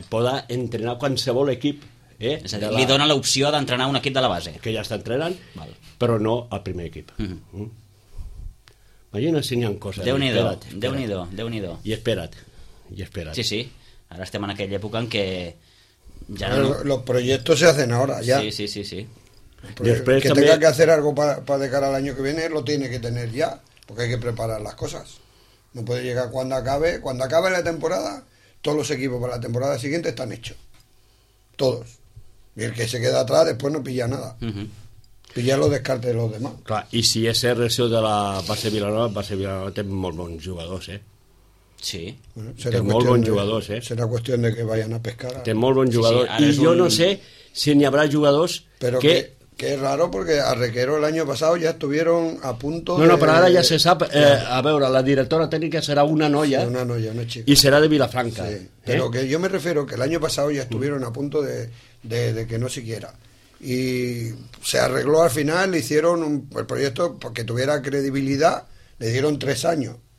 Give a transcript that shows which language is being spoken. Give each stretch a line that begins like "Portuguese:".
Catalan: Poda entrenar qualsevol equip. És a dir, li dona l'opció d'entrenar un equip de la base que ja està entrenant, val. Però no al primer equip. Imagina si n'hi ha coses. Déu-n'hi-do. I espera't. Sí, sí, ara estem en aquella època en què ja no...
Spanish: Los proyectos se hacen ahora ya. Sí. Después, que también... tenga que hacer algo para de cara al año que viene, lo tiene que tener ya, porque hay que preparar las cosas. No puede llegar cuando acabe la temporada. Todos los equipos para la temporada siguiente están hechos. Todos. Y el que se queda atrás después no pilla nada. Pilla los descartes de los demás.
Catalan: Clar, i si és el resultat de la base Vilanova, base Vilanova té molt bons jugadors, eh? Sí. Bueno, té molt bons jugadors, eh? Serà qüestió de que vayan a pescar. Té molt bons jugadors. Sí, sí, i jo no sé si n'hi haurà jugadors però que...
Spanish: Que es raro porque a Requero el año pasado ya estuvieron a punto de... No, pero ahora ya se sabe, a ver, la directora técnica será una noia. Sí, una noia, una chica. Y será de Vilafranca. Sí, pero que yo me refiero que el año pasado ya estuvieron a punto de que no siquiera. Y se arregló al final, le hicieron el proyecto porque tuviera credibilidad, le dieron 3 años.